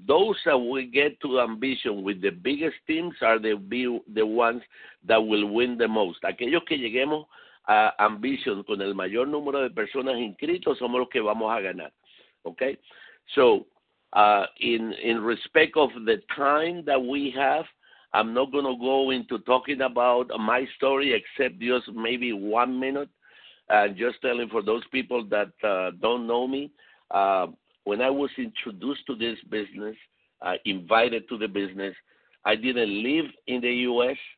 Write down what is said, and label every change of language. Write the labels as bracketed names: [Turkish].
[English] Those that will get to Ambition with the biggest teams are the ones that will win the most. [Spanish] Aquellos que lleguemos a Ambition con el mayor número de personas inscritos somos los que vamos a ganar. Okay? [English] So in respect of the time that we have, I'm not going to go into talking about my story except just maybe 1 minute. Just telling for those people that don't know me, when I was introduced to this business, invited to the business, I didn't live in the U.S.